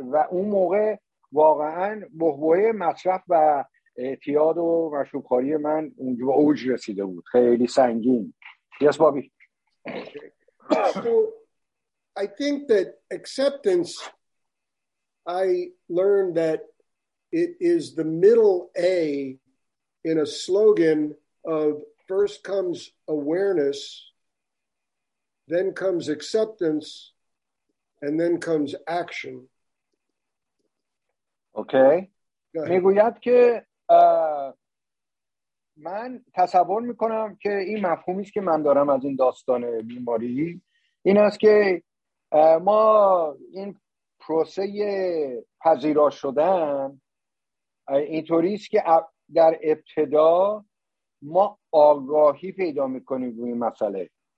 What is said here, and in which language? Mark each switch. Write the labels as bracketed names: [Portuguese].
[Persian] اون موقع واقعا بحبوه مصرف و اعتیاد و مشروبخواری من اونجا به اوج رسیده بود خیلی سنگین. [English] Yes, Bobby. So I think that acceptance, I learned that it is the middle A in a slogan of first comes awareness, then comes acceptance, and then comes action. Okay. [Persian] میگوید که من تصور میکنم که این مفهومی است که من دارم از این داستان بیماری این است که ما این پروسه پذیرا شدن اینطوری است که در ابتدا ما آگاهی پیدا میکنیم روی این مسئله